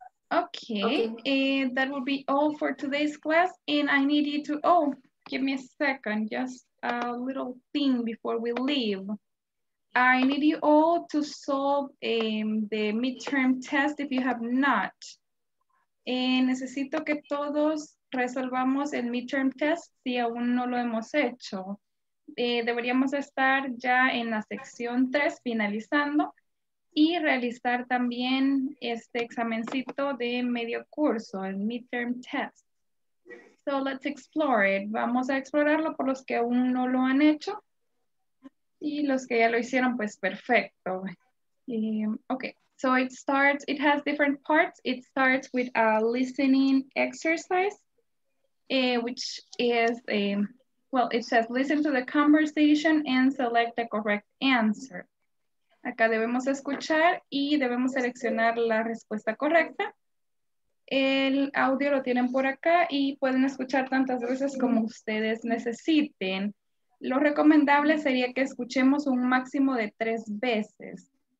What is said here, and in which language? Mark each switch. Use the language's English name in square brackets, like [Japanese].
[English] Okay, and that will be all for today's class. And I need you to, give me a second, just a little thing before we leave. I need you all to solve the midterm test if you have not. [Spanish] Necesito que todos resolvamos el midterm test si aún no lo hemos hecho. Deberíamos estar ya en la sección 3 finalizando y realizar también este examencito de medio curso, el midterm test. [English] So let's explore it. [Spanish] Vamos a explorarlo por los que aún no lo han hecho. Y los que ya lo hicieron, pues perfecto. [English] Okay, so it starts, it has different parts. It starts with a listening exercise, which is, well, it says, listen to the conversation and select the correct answer. [Spanish] Acá debemos escuchar y debemos seleccionar la respuesta correcta. El audio lo tienen por acá y pueden escuchar tantas veces como ustedes necesiten. Lo recomendable sería que escuchemos un máximo de 3 veces.